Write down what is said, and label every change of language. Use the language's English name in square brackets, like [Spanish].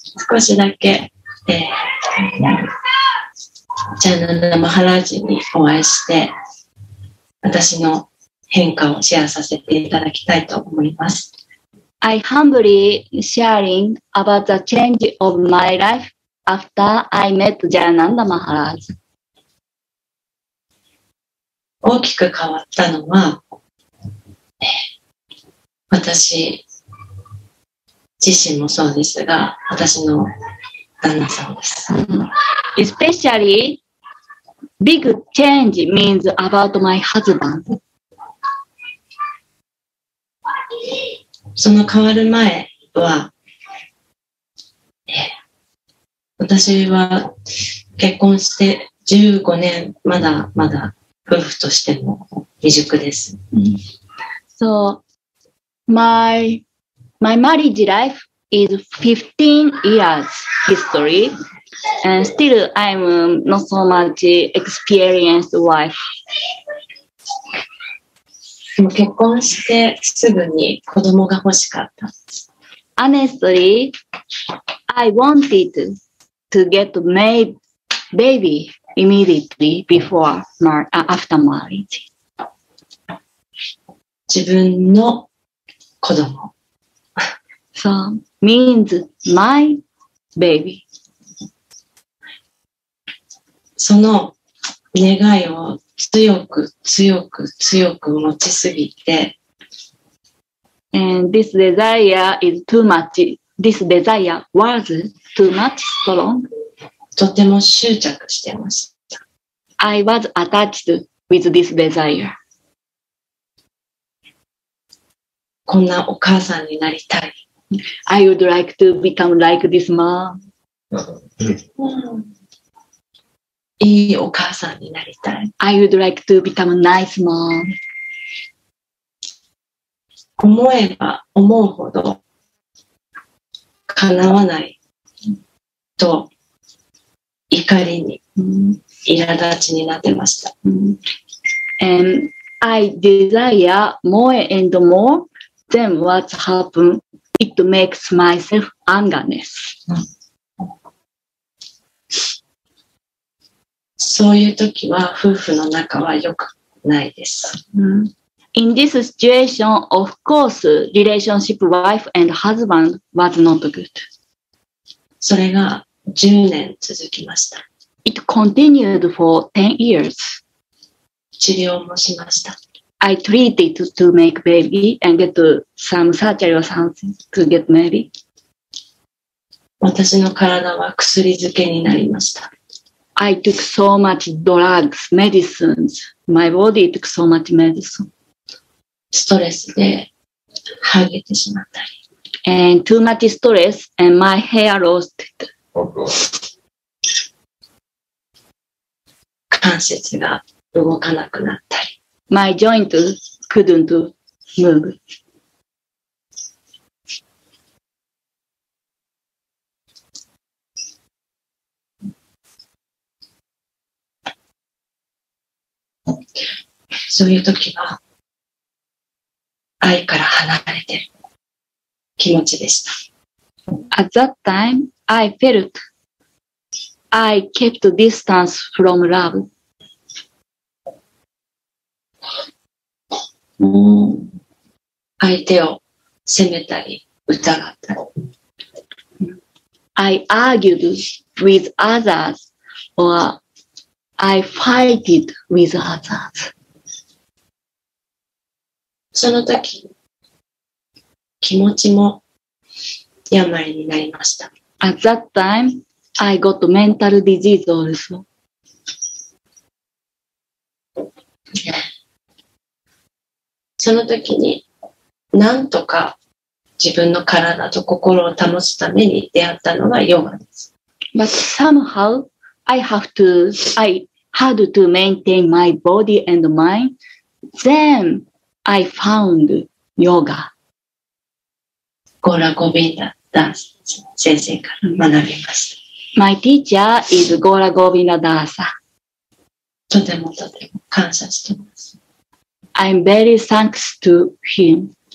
[Japanese] 少しだけ、ジャナナ・マハラージにお会いして、私の変化をシェアさせていただきたいと思います。 [English] I humbly sharing about the change of my life after I met Jayananda Maharaj. [Japanese] 大きく変わったのは、私自身もそうですが、私の旦那さんです。 [English] Especially, big change means about my husband. [Japanese] その変わる前は、私は結婚して15年、まだまだ夫婦としても未熟です。 [English] So, my marriage life is 15 years history, and still I'm not so much experienced wife. [Japanese] 結婚してすぐに子供が欲しかった。 [English] Honestly, I wanted to get a baby immediately before after marriage. [Japanese] 自分の子供。 [English] So, means my baby. [Japanese] その願いを強く強く強く持ちすぎて [English] And this desire is too much. This desire was too much strong. [Japanese] とても執着してました。 [English] I was attached with this desire. [Japanese] こんなお母さんになりたい。 [English] I would like to become like this mom. [Japanese] いいお母さんになりたい。 [English] I would like to become a nice mom. [Japanese] 思えば思うほど叶わないと怒りに、苛立ちになってました。 [English] And I desire more and more than what happened. It makes myself angerness. [Japanese] そういう時は夫婦の仲は良くないです。 [English] In this situation, of course, relationship wife and husband was not good. [Japanese] それが10年続きました。 [English] It continued for 10 years. [Japanese] 治療もしました。 [English] I treated to make baby and get some surgery or something to get baby. [Japanese] 私の体は薬漬けになりました。 [English] I took so much drugs, medicines. My body took so much medicine. [Japanese] ストレスでハゲてしまったり。 [English] And too much stress and my hair lost it. [Japanese] 関節が動かなくなったり。 [English] My joint couldn't move. [Japanese] 時は愛から離れてる気持ちでした。 [English] At that time, I felt I kept distance from love. Mm. [Japanese] 相手を責めたり疑ったり。 [English] I argued with others or I fighted with others. [Japanese] その時、気持ちも病になりました。 [English] At that time, I got mental disease also. [Japanese] 時に、なんとか自分の体と心を保つために出会ったのがヨガです。 [English] But somehow, I had to maintain my body and mind. Then,I found yoga. [Japanese] ゴラ・ゴビンダ・ダーサ先生から学びました。 [English] My teacher is ゴラ・ゴビンダ・ダーサ。 [Japanese] とてもとても感謝しています。 [English] I'm very thanks to him.